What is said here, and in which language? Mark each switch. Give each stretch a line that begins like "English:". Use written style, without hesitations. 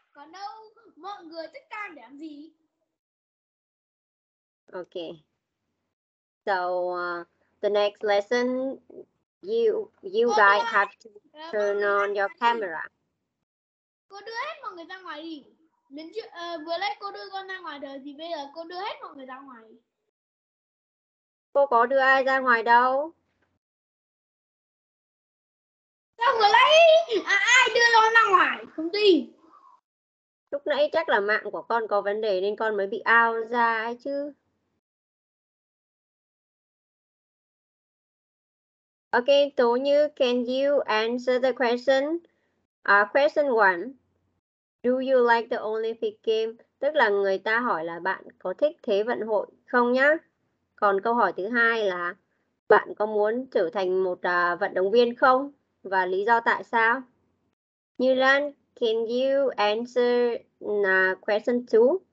Vietnamese: Còn đâu mọi người thích cam để làm gì?
English: Okay. So the next lesson, you guys have to turn on your camera.
Vietnamese: Cô đưa hết mọi người ra ngoài đi. Mình chưa, vừa lấy cô đưa con ra ngoài đời thì bây giờ cô đưa hết mọi người ra ngoài. Cô có đưa ai ra ngoài đâu? Sao vừa lấy ai đưa con ra ngoài? Không tin. Lúc nãy chắc là mạng của con có vấn đề nên con mới bị ao ra ấy chứ.
English: Okay, Tố Như, can you answer the question? Question 1. Do you like the Olympic game?
Vietnamese: Tức là người ta hỏi là bạn có thích Thế vận hội không nhá? Còn câu hỏi thứ hai là bạn có muốn trở thành một vận động viên không? Và lý do tại sao?
English: Như Lan, can you answer question 2?